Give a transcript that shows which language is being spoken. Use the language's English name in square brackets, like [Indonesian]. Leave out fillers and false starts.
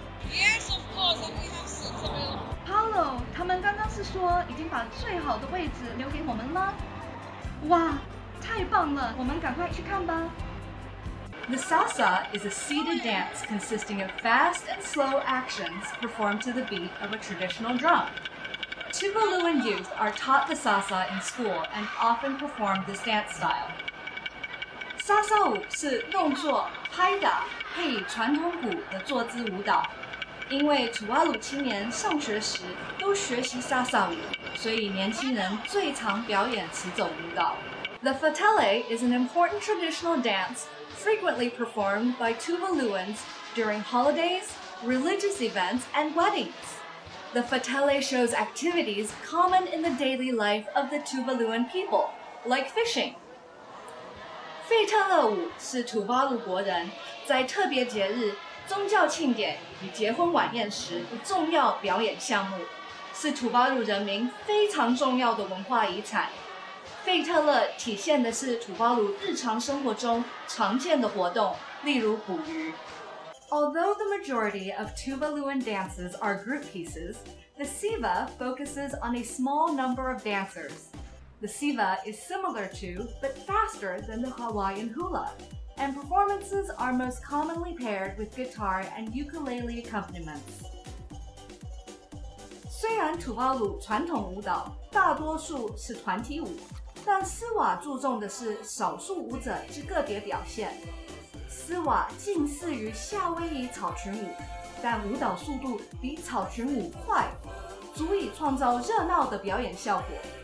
[English] Yes, of course, and we have seats available. [Chinese] Paulo, 他们刚刚是说已经把最好的位置留给我们了。哇，太棒了，我们赶快去看吧。 [English] The salsa is a seated dance consisting of fast and slow actions performed to the beat of a traditional drum. Tuvaluan youth are taught the salsa in school and often perform this dance style. [Chinese] 沙沙舞是动作拍打配以传统鼓的坐姿舞蹈，因为土瓦鲁青年上学时都学习沙沙舞，所以年轻人最常表演此种舞蹈。 [English] The fatale is an important traditional dance frequently performed by Tuvaluans during holidays, religious events, and weddings. The fatale shows activities common in the daily life of the Tuvaluan people, like fishing. [Chinese] 费特勒舞是土瓦鲁国人在特别节日、宗教庆典与结婚晚宴时的重要表演项目，是土瓦鲁人民非常重要的文化遗产。费特勒体现的是土瓦鲁日常生活中常见的活动，例如捕鱼。 [English] Although the majority of Tuvaluan dances are group pieces, the Siva focuses on a small number of dancers. The Siva is similar to, but faster than the Hawaiian hula, and performances are most commonly paired with guitar and ukulele accompaniments. [Chinese] 虽然土瓦鲁传统舞蹈大多数是团体舞，但斯瓦注重的是少数舞者之个别表现。斯瓦近似于夏威夷草裙舞，但舞蹈速度比草裙舞快，足以创造热闹的表演效果。